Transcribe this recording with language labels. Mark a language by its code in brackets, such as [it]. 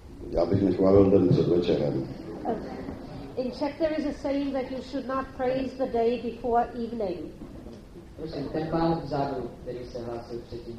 [cs] Já bych nechválil den před večerem. [en] In Czech there is a saying that you should not praise the day before evening. [cs] Prosím, ten pán vzadu, který se hlásil předtím.